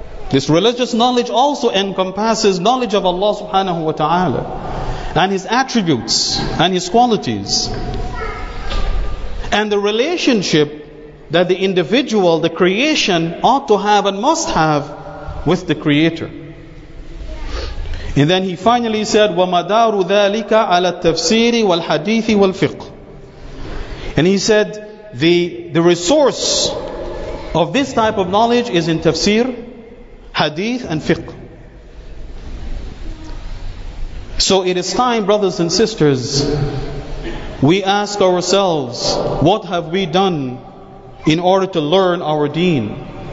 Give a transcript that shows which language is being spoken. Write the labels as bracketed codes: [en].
[en] This religious knowledge also encompasses knowledge of Allah subhanahu wa ta'ala and His attributes and His qualities, and the relationship that the individual, the creation, ought to have and must have with the Creator. [ar] And then he finally said, وَمَدَارُ ذَٰلِكَ عَلَى التَّفْسِيرِ وَالْحَدِيثِ وَالْفِقْهِ. [en] And he said, the resource of this type of knowledge is in tafsir, hadith, and fiqh. So it is time, brothers and sisters, we ask ourselves, what have we done in order to learn our deen?